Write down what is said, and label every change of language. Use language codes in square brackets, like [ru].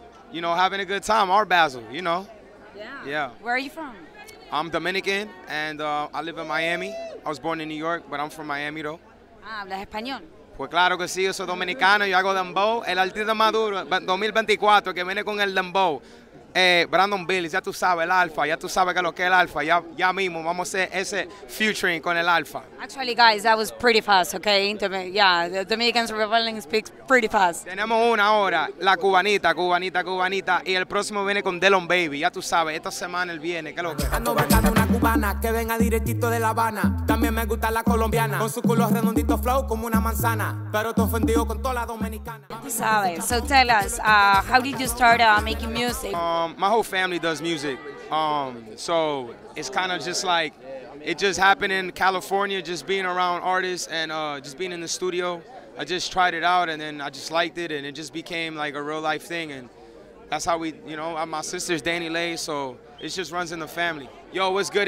[en] You know, having a good time, Art Basel, you know. Yeah. Yeah. Where are you from? I'm Dominican, and I live in Miami. I was born in New York, but I'm from Miami, though. [es] Ah, ¿hablas español? Pues claro que sí, yo soy dominicano, yo hago dembow. El artista maduro, 2024, que viene con el dembow. Brandon Billis, ya tú sabes, el alfa, ya tú sabes que lo que es el alfa. Ya mismo, vamos a hacer ese featuring con el alfa. [en] Actually, guys, that was pretty fast, okay? The Dominicans Rebelling speaks pretty fast. [es] Tenemos una ahora, la cubanita, cubanita, cubanita. Y el próximo viene con Delon Baby, ya tú sabes, esta semana él viene, que lo que. Ando buscando una cubana que venga directito de La Habana. También me gusta la colombiana, con su culo redondito flow como una manzana. Pero te ofendido con toda la dominicana. Ya tú sabes, [en] so tell us, how did you start making music? My whole family does music, so it's kind of just like, it just happened in California, just being around artists and just being in the studio. I just tried it out and then I just liked it and it just became like a real life thing, and that's how we, you know, my sister's Danny Lay, so it just runs in the family. Yo, what's good?